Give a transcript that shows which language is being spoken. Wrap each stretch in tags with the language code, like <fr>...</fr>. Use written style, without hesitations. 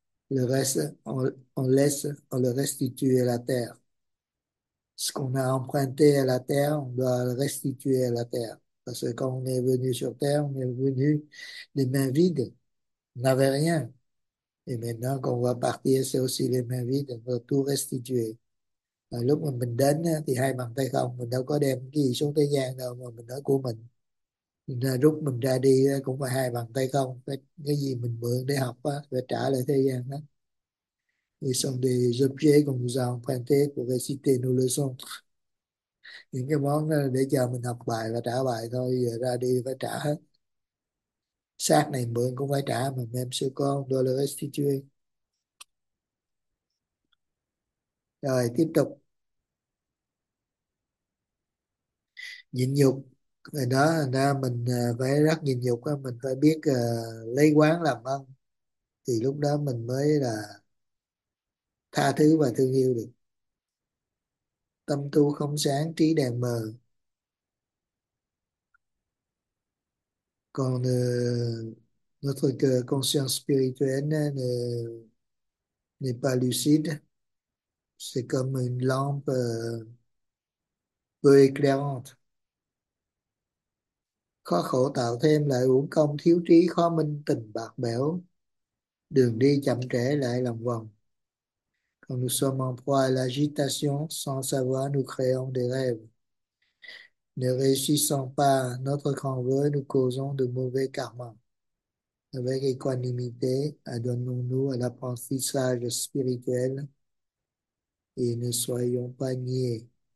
<fr>Le reste, on laisse, on le restitue à la terre. Ce qu'on a emprunté à la terre, on doit le restituer à la terre. Parce que quand on est venu sur terre, on est venu les mains vides. On n'avait rien. Et maintenant qu'on va partir, c'est aussi les mains vides. On doit tout restituer.</fr> <vi>À lúc mà mình đến thì hai bàn tay không. Mình đâu có đem cái gì xuống thế gian đâu mà mình nói của mình. Nên rút mình ra đi cũng phải hai bàn tay không, cái gì mình mượn để học á phải trả lại thế gian đó.</vi> <fr>Ils sont des objets qu'on nous a empruntés pour réciter nos leçons.</fr> <vi>Những cái món đó là để cho mình học bài và trả bài thôi, giờ ra đi phải trả hết. Xác này mượn cũng phải trả, mà mềm sư con, đô lê restituer. Rồi, tiếp tục. Nhịn nhục. Rồi đó ra mình phải rất nhịn nhục á, mình phải biết lấy quán làm ăn thì lúc đó mình mới là tha thứ và thương yêu được. Tâm tu không sáng trí đèn mờ, còn</vi> <fr>notre conscience spirituelle n'est pas lucide, c'est comme une lampe peu éclairante.</fr> <vi>Khó khổ tạo thêm lại uổng công, thiếu trí khó minh tình bạc bẽo, đường đi chậm trễ lại lòng vòng.</vi> <fr>Quand nous sommes en proie à l'agitation sans savoir, nous créons des rêves. Ne réussissant pas notre grand vœu, nous causons de mauvais karma. Avec équanimité, adonnons-nous à l'apprentissage spirituel et ne soyons pas niais.</fr>